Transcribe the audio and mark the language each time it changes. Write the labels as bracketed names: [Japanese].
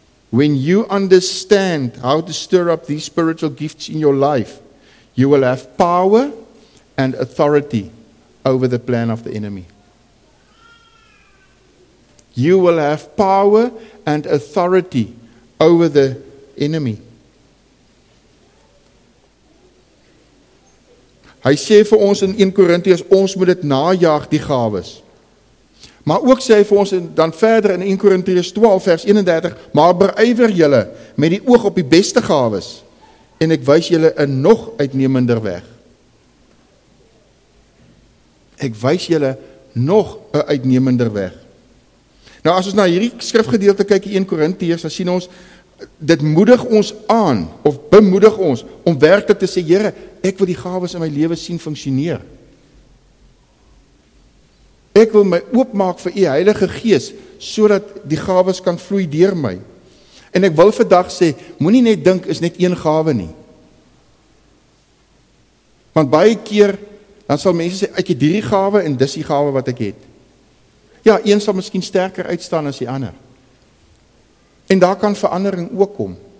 [English] When you understand how to stir up these spiritual gifts in your life, you will have power and authority over the plan of the enemy. You will have power and authority over the enemy. [Afrikaans] Hy sê vir ons in 1 Korintiërs, ons moet dit najaag, die gawes. Maar ook sê hy vir ons dan verder in 1 Korintiërs 12 vers 31, maar beywer julle met die oog op die beste gawes en ek wys julle 'n nog uitnemender weg. Ek wys julle nog 'n uitnemender weg. Nou as ons na hierdie skrifgedeelte kyk in 1 Korintiërs, dan sien ons dit moedig ons aan of bemoedig ons om werklik te sê Here, ek wil die gawes in my lewe sien funksioneer. Ek wil my oopmaak vir u Heilige Gees sodat die gawes kan vloei deur my. En ek wil vandag sê, moenie net dink is net een gawe nie. Want baie keer dan sal mense sê ek het hierdie gawe en dis die gawe wat ek het. Ja, een sal miskien sterker uitstaan as die ander. En daar kan verandering ook kom.